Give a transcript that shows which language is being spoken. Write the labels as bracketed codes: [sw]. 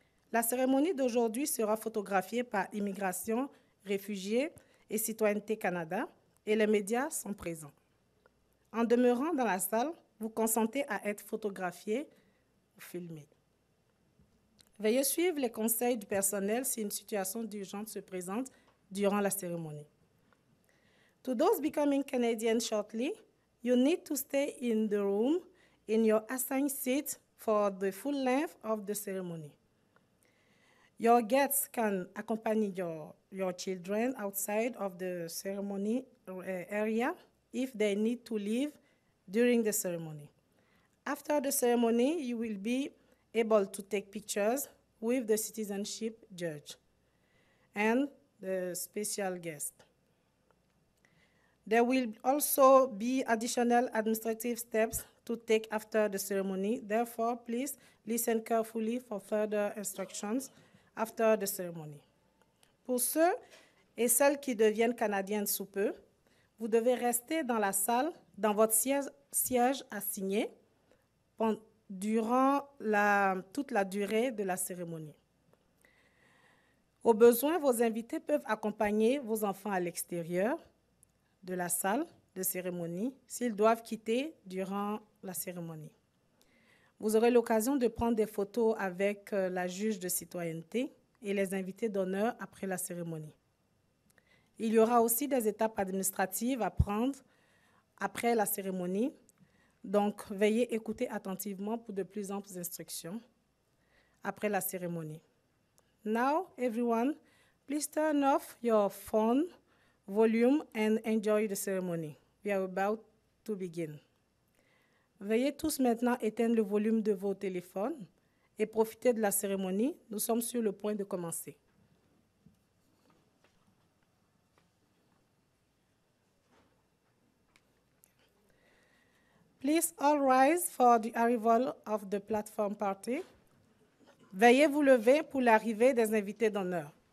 [fr] La cérémonie d'aujourd'hui sera photographiée par Immigration, Réfugiés et Citoyenneté Canada, et les médias sont présents. En demeurant dans la salle, vous consentez à être photographié ou filmé. Veuillez suivre les conseils du personnel si une situation urgente se présente durant la cérémonie. [en] To those becoming Canadian shortly, you need to stay in the room in your assigned seat for the full length of the ceremony. Your guests can accompany your children outside of the ceremony area if they need to leave during the ceremony. After the ceremony, you will be able to take pictures with the citizenship judge and the special guest. There will also be additional administrative steps to take after the ceremony. Therefore, please listen carefully for further instructions after the ceremony. [fr] Pour ceux et celles qui deviennent Canadiennes sous peu, vous devez rester dans la salle, dans votre siège assigné, durant toute la durée de la cérémonie. Au besoin, vos invités peuvent accompagner vos enfants à l'extérieur de la salle de cérémonie s'ils doivent quitter durant la cérémonie. Vous aurez l'occasion de prendre des photos avec la juge de citoyenneté et les invités d'honneur après la cérémonie. Il y aura aussi des étapes administratives à prendre après la cérémonie. Donc, veuillez écouter attentivement pour de plus amples instructions après la cérémonie. [en] Now, everyone, please turn off your phone volume and enjoy the ceremony. We are about to begin. [fr] Veuillez tous maintenant éteindre le volume de vos téléphones et profiter de la cérémonie. Nous sommes sur le point de commencer. [en] Please all rise for the arrival of the platform party. [fr] Veuillez vous lever pour l'arrivée des invités d'honneur.